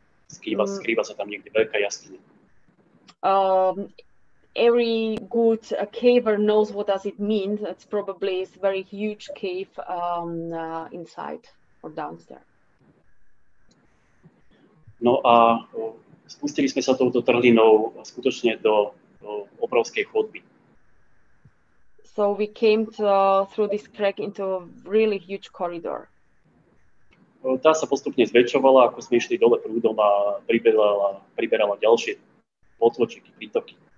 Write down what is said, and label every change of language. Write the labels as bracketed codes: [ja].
[sk] Skrýva sa tam niekde veľká jaskyňa. [en] Every good caver knows what does it mean. It's probably a very huge cave inside or downstairs. [sk] No a spustili sme sa touto trhlinou skutočne do obrovskej chodby. [en] So we came to, through this crack into a really huge corridor. [sk] Tá sa postupne zväčšovala, ako sme išli dole prúdom a priberala ďalšie potločky, prítoky.